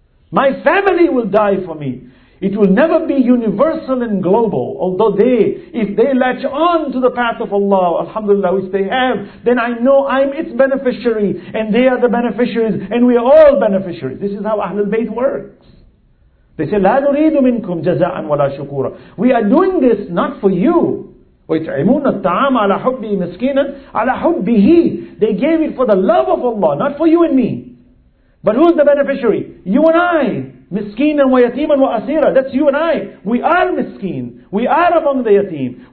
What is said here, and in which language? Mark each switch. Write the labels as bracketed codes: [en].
[en] My family will die for me. It will never be universal and global. Although they, if they latch on to the path of Allah, alhamdulillah, which they have, then I know I'm its beneficiary, and they are the beneficiaries, and we are all beneficiaries. This is how Ahlul Bayt works. They say, [ar] لَا نُرِيدُ مِنْكُمْ جَزَاءً وَلَا شُكُورًا. [en] We are doing this not for you. [ar] وَيْتْعِمُونَ الطَّعَامَ عَلَى حُبِّهِ مِسْكِينًا عَلَى حُبِّهِ. [en] They gave it for the love of Allah, not for you and me. But who's the beneficiary? You and I. Miskeenan wa yateeman wa asira. That's you and I. We are miskeen. We are among the yateen.